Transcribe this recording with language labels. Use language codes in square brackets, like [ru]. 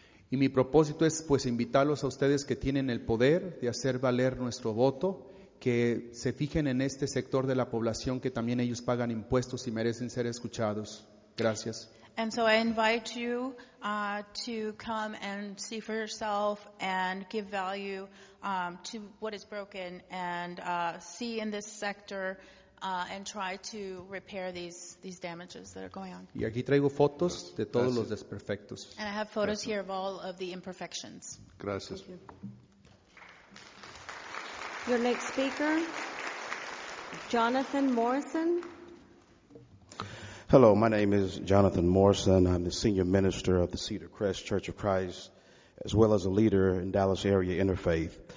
[es] Y mi propósito es pues invitarlos a ustedes que tienen el poder de hacer valer nuestro voto, que se fijen en este sector de la población que también ellos pagan impuestos y merecen ser escuchados. Gracias. [en] And so I invite you to come and see for yourself and give value to what is broken and see in this sector and try to repair these damages that are going on. [es] Y aquí traigo fotos de todos los desperfectos. [en] And I have photos here of all of the imperfections. [es] Gracias. [en] Thank you. Your next speaker, Jonathan Morrison. Hello, my name is Jonathan Morrison. I'm the senior minister of the Cedar Crest Church of Christ, as well as a leader in Dallas Area Interfaith.